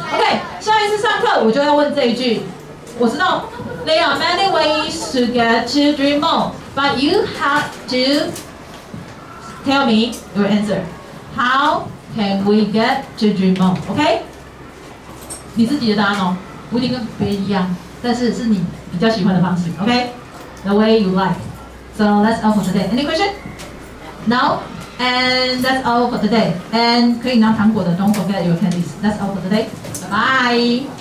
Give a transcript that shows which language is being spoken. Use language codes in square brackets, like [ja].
[zh] OK, 下一次上课我就要问这一句。我知道 [en] There are many ways to get to dream on, but you have to tell me your answer. How can we get to dream on? OK? [zh] 你自己的答案哦，不一定跟别人一样，但是是你比较喜欢的方式。 [en] OK? The way you like. So that's all for today. Any question? No? And that's all for today. And [zh] 可以拿糖果的 [en] don't forget your candies. That's all for today. Bye.